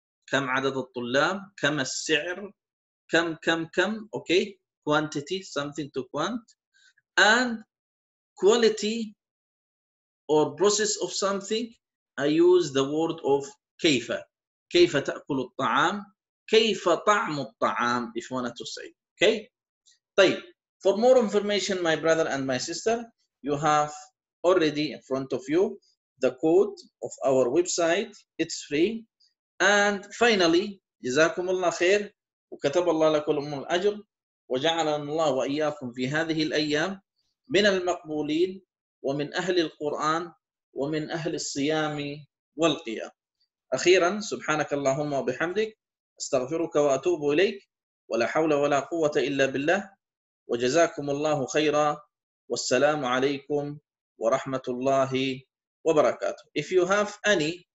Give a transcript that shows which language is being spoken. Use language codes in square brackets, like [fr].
[ar] كم عدد الطلاب, كم السعر, كم, [en] okay, quantity, something to quant. And quality or process of something, I use the word of كيف. [ar] كيف تأكل الطعام, كيف طعم الطعام, [en] if you wanted to say, okay. [ar] طيب, [en] for more information, my brother and my sister, you have already in front of you the code of our website. It's free. [ar] And finally, جزاكم الله خير وكتب الله لكم الأجر وجعل الله وإياكم في هذه الأيام من المقبولين ومن أهل القرآن ومن أهل الصيام والقيام. أخيرا, سبحانك اللهم وبحمدك, استغفرك وأتوب إليك, ولا حول ولا قوة إلا بالله, وجزاكم الله خيرا, والسلام عليكم ورحمة الله وبركاته. [en] If you have any